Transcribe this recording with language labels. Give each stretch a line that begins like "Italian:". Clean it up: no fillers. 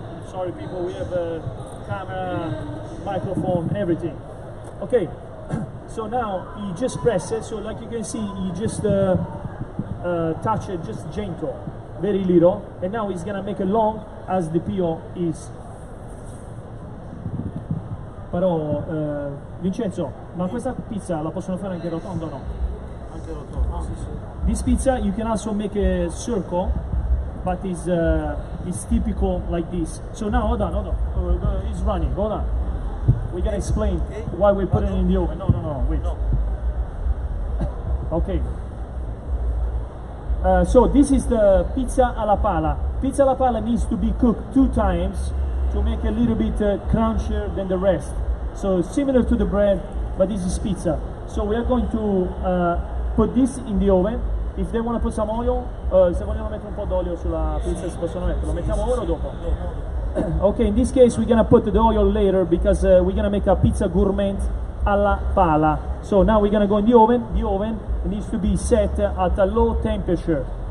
English: Sorry, people, we have a camera, microphone, everything. Okay, so now you just press it. So like you can see, you just touch it, just gentle, very little. And now it's gonna make it long as the peel is.
Italian: Però, Vincenzo, ma questa pizza la possono fare anche rotonda o no? Anche rotonda,
English: sì. This pizza, you can also make a circle. but it's typical like this. So now, hold on, it's running, hold on. We're gonna explain why we put it in the oven. No, wait. Okay. So this is the pizza alla pala. Pizza alla pala needs to be cooked two times to make a little bit crunchier than the rest. So similar to the bread, but this is pizza. So we are going to put this in the oven. If they want to put some oil,
Italian: se vogliono mettere un po' d'olio sulla pizza, si possono mettere. Lo mettiamo ora o dopo?
English: Okay, in this case we're gonna put the oil later because we're gonna make a pizza gourmet alla pala. So now we're gonna go in the oven. The oven needs to be set at a low temperature.